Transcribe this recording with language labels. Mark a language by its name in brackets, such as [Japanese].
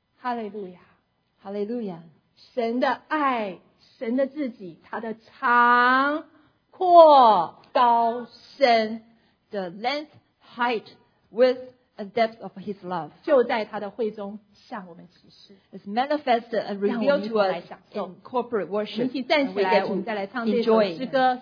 [Chinese] 哈利路亚，哈利路亚！神的爱，神的自己，他的长阔高深 [English] ，the length, height, width, and depth of His love， [Chinese] 就在他的会中向我们启示。 [English] It's manifested and revealed to us in corporate worship. [Chinese] 我们一起站起来，我们再来唱这首诗歌。